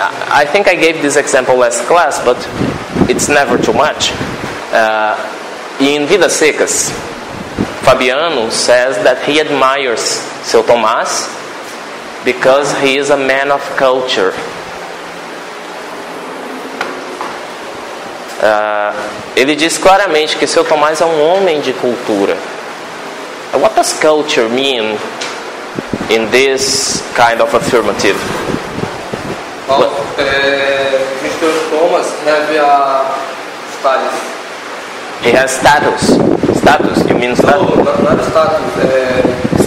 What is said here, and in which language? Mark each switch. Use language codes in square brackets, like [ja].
[en] I think I gave this example last class, but it's never too much. In Vidas Secas, Fabiano says that he admires Seu Tomás because he is a man of culture. [pt] Ele diz claramente que Seu Tomás é um homem de cultura. [en] What does culture mean in this kind of affirmative? Mr. Thomas have a status. He has status. Status, you mean status? No, not status.